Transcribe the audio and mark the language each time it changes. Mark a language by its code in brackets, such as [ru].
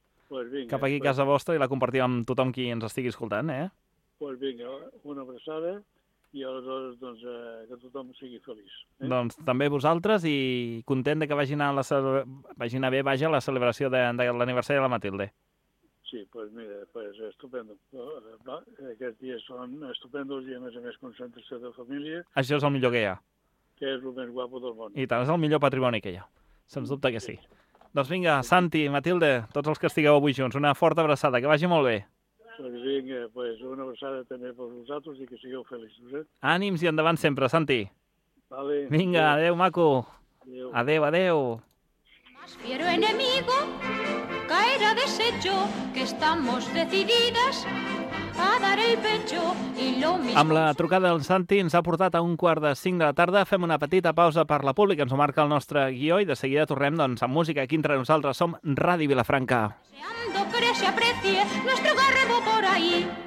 [ca] Pues vinga. Cap aquí a casa vostra i la compartim amb tothom qui ens estigui escoltant, eh? Pues vinga, una abraçada i aleshores, doncs, que tothom sigui feliç. Eh? Doncs també vosaltres i content que vagi anar bé la celebració de l'aniversari de la Matilde. [es] Sí, pues mira, pues estupendo. [ca] Aquests dies són estupendos i a més concentració de família. Això és el millor que hi ha. Que és el més guapo del món. I tant, és el millor patrimoni que hi ha. Sens dubte que sí. Doncs vinga, Santi, Matilde, tots els que estigueu avui junts, una forta abraçada, que vagi molt bé. Doncs vinga, pues una abraçada també per vosaltres i que sigueu feliços. Eh? Ànims i endavant sempre, Santi. Vale. Vinga, adéu, maco. Adéu. Adéu, adéu. [es] Más fiero enemigo caerá deshecho que estamos decididas a dar el pecho y lo mismo... [ca] Amb la trucada del Santi ens ha portat a un quart de 5 de la tarda. Fem una petita pausa per la pública, ens ho marca el nostre guió i de seguida tornem, doncs, amb música. Aquí entre nosaltres som Ràdio Vilafranca. [es] Deseando que se aprecie nuestro garrebo por ahí.